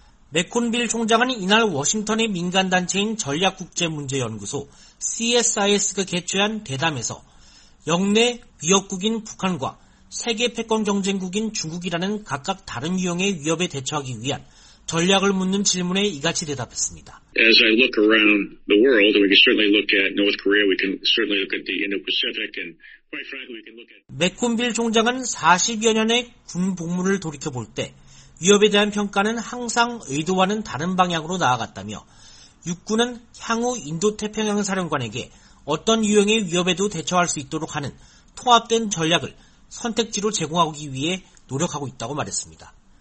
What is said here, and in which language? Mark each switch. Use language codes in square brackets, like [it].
[ko] 맥콘빌 총장은 이날 워싱턴의 민간단체인 전략국제문제연구소 CSIS가 개최한 대담에서 영내 위협국인 북한과 세계 패권 경쟁국인 중국이라는 각각 다른 유형의 위협에 대처하기 위한 전략을 묻는 질문에 이같이 대답했습니다. [en] As I look around the world, we can certainly look at North Korea, we can certainly look at the Indo-Pacific and quite frankly we can look at [ko] 맥콘빌 총장은 40여 년의 군 복무를 돌이켜 볼 때 위협에 대한 평가는 항상 의도와는 다른 방향으로 나아갔다며 육군은 향후 인도 태평양 사령관에게 어떤 유형의 위협에도 대처할 수 있도록 하는 통합된 전략을 선택지로 제공하기 위해 노력하고 있다고 말했습니다.